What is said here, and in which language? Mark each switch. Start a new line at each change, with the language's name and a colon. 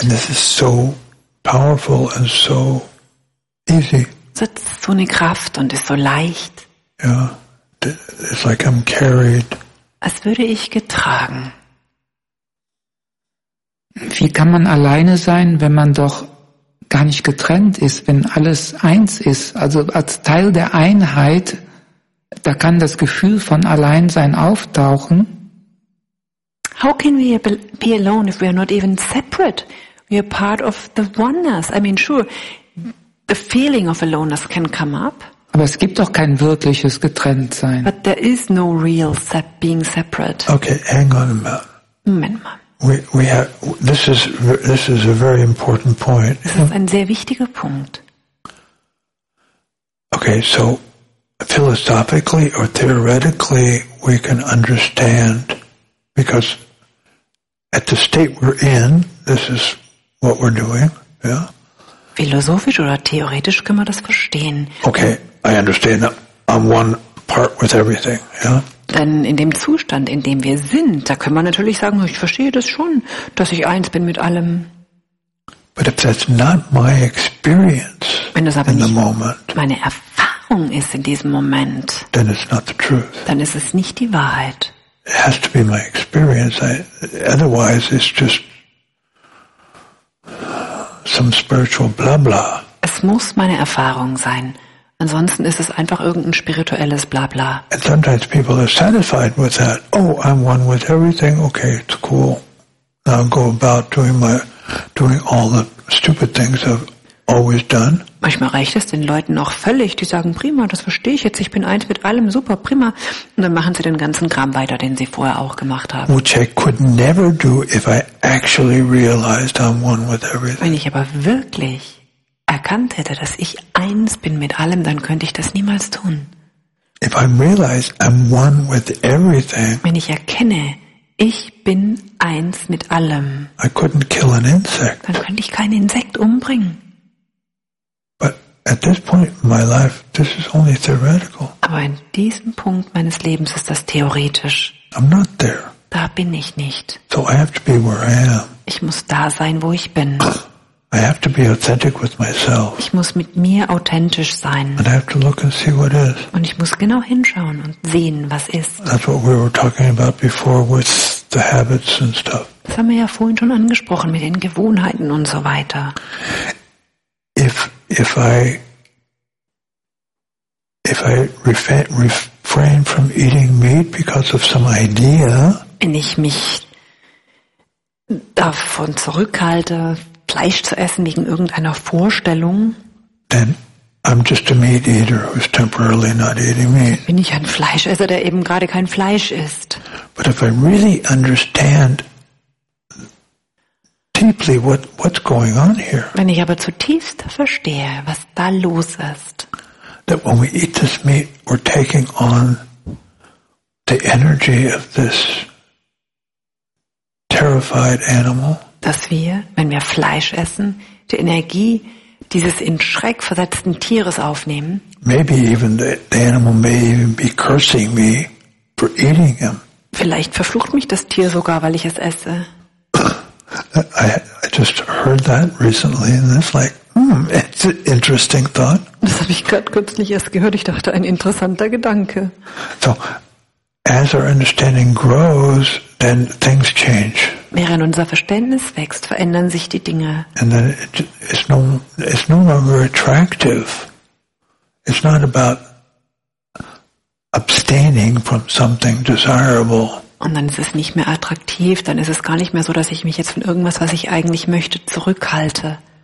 English: And this is so powerful and so easy.
German: Das ist so eine Kraft und ist so leicht.
English: Yeah, it's like I'm carried.
German: Als würde ich getragen. Wie kann man alleine sein, wenn man doch gar nicht getrennt ist, wenn alles eins ist? Also als Teil der Einheit, da kann das Gefühl von Alleinsein auftauchen.
English: How can we be alone if we are not even separate? We are part of the oneness. I mean, sure, the feeling of aloneness can come up.
German: Aber es gibt doch kein wirkliches Getrenntsein.
English: But there is no real being separate. Okay, hang on a minute.
German: Moment mal.
English: This is a very important point.
German: Das ist ein sehr wichtiger Punkt.
English: Okay, so philosophically or theoretically we can understand, because at the state we're in, this is what we're doing, yeah?
German: Philosophisch oder theoretisch können wir das verstehen.
English: Okay, I understand that I'm one part with everything, yeah?
German: Denn in dem Zustand, in dem wir sind, da können wir natürlich sagen, ich verstehe das schon, dass ich eins bin mit allem.
English: But if that's not my experience,
German: wenn das aber
English: in
German: nicht
English: the moment,
German: meine Erfahrung ist in diesem Moment,
English: then it's not the truth.
German: Dann ist es nicht die Wahrheit.
English: It has to be my experience. Otherwise it's just some spiritual blah blah.
German: Es muss meine Erfahrung sein. Ansonsten ist es einfach irgendein spirituelles Blabla.
English: And sometimes people are satisfied with that. Oh, I'm one with everything. Okay, it's cool. Now go about doing all the stupid things I've always done.
German: Manchmal reicht es den Leuten auch völlig. Die sagen, prima, das verstehe ich jetzt. Ich bin eins mit allem. Super, prima. Und dann machen sie den ganzen Kram weiter, den sie vorher auch gemacht haben.
English: Which I could never do if I actually realized I'm one with everything.
German: Wenn ich aber wirklich erkannt hätte, dass ich eins bin mit allem, dann könnte ich das niemals tun.
English: If I realize I'm one with everything,
German: wenn ich erkenne, ich bin eins mit allem,
English: I couldn't kill an insect.
German: Dann könnte ich keinen Insekt umbringen.
English: But at this point in my life, this is only theoretical.
German: Aber in diesem Punkt meines Lebens ist das theoretisch.
English: I'm not there.
German: Da bin ich nicht.
English: So I have to be where I am.
German: Ich muss da sein, wo ich bin.
English: I have to be authentic with myself.
German: Ich muss mit mir authentisch sein.
English: And I have to look and see what is.
German: Und ich muss genau hinschauen und sehen, was ist.
English: That's what we were talking about before with the habits and stuff.
German: Das haben wir ja vorhin schon angesprochen mit den Gewohnheiten und so weiter.
English: If if I refrain from eating meat because of some idea,
German: wenn ich mich davon zurückhalte, Fleisch zu essen wegen irgendeiner Vorstellung,
English: then I'm just a meat eater who's temporarily not eating meat.
German: Bin ich ein Fleischesser, der eben gerade kein Fleisch isst.
English: But if I really understand deeply what's going on here.
German: Wenn ich aber zutiefst verstehe, was da los ist.
English: That when we eat this meat, we're taking on the energy of this terrified animal.
German: Dass wir, wenn wir Fleisch essen, die Energie dieses in Schreck versetzten Tieres aufnehmen.
English: Maybe even the animal may even be cursing me for eating him.
German: Vielleicht verflucht mich das Tier sogar, weil ich es esse.
English: I just heard that recently, and it's like, it's an interesting thought.
German: Das habe ich gerade kürzlich erst gehört. Ich dachte, ein interessanter Gedanke.
English: So, as our understanding grows, then things change.
German: Während unser Verständnis wächst, verändern sich die Dinge.
English: And then it's no longer attractive. It's not about abstaining from something desirable.
German: Und dann ist es nicht mehr attraktiv, dann ist es gar nicht mehr so, dass ich mich jetzt von irgendwas, was ich eigentlich möchte, zurückhalte.